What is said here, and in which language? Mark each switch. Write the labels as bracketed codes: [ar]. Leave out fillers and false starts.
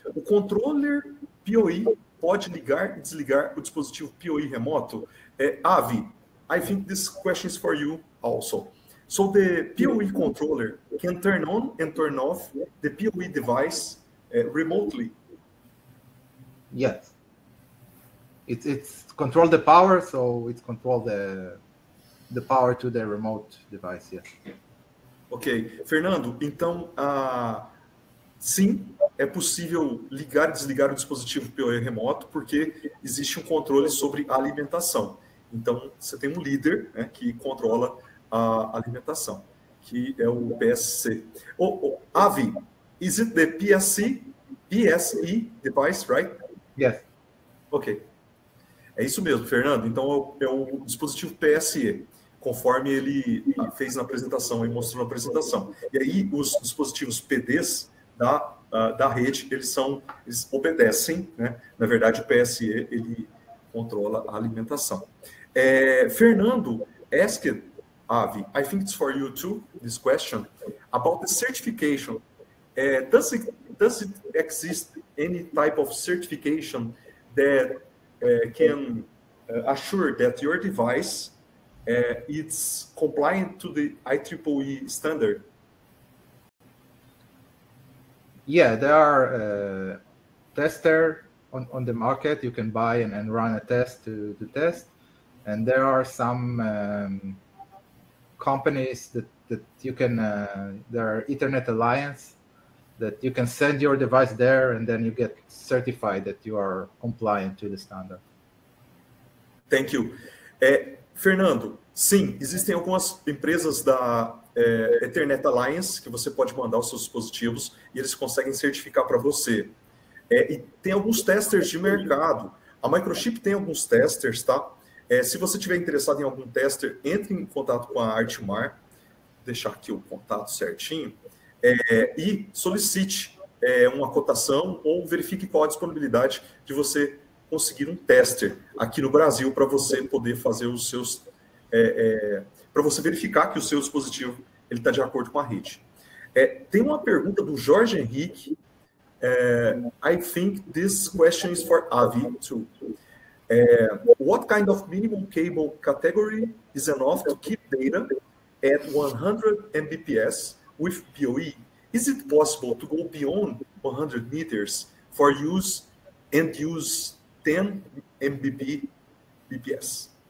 [pt] O controller PoE pode ligar e desligar o dispositivo PoE remoto? [en] Avi, I think this question is for you also. So the PoE controller can turn on and turn off the PoE device remotely? Yes. It's control the power, so it's control the power to the remote device, yes. Ok. [pt] Fernando, então, sim, é possível ligar e desligar o dispositivo PoE remoto porque existe um controle sobre a alimentação. Então, você tem um líder que controla a alimentação, que é o PSC. Avi, is it the PSE device, right? Yes. Ok. É isso mesmo, Fernando. Então, é o dispositivo PSE, conforme ele fez na apresentação, e mostrou na apresentação. E aí, os dispositivos PDs da rede, eles obedecem, né? Na verdade, o PSE, ele controla a alimentação. [en] Fernando, asked, Avi, I think it's for you too, this question, about the certification. Does it exist any type of certification that can assure that your device it's compliant to the IEEE standard? Yeah, there are tester on the market. You can buy and run a test to test. And there are some companies that you can, there are Ethernet Alliance, that you can send your device there and then you get certified that you are compliant to the standard. Thank you. [pt] Fernando, sim, existem algumas empresas da Ethernet Alliance que você pode mandar os seus dispositivos e eles conseguem certificar para você. E tem alguns testers de mercado. A Microchip tem alguns testers, tá? Se você estiver interessado em algum tester, entre em contato com a Artmar, vou deixar aqui o contato certinho, e solicite uma cotação ou verifique qual a disponibilidade de você conseguir um tester aqui no Brasil para você poder fazer os seus... para você verificar que o seu dispositivo está de acordo com a rede. Tem uma pergunta do Jorge Henrique. [en] I think this question is for Avi too. What kind of minimum cable category is enough to keep data at 100 Mbps with PoE? Is it possible to go beyond 100 meters for use and use 10 Mbps?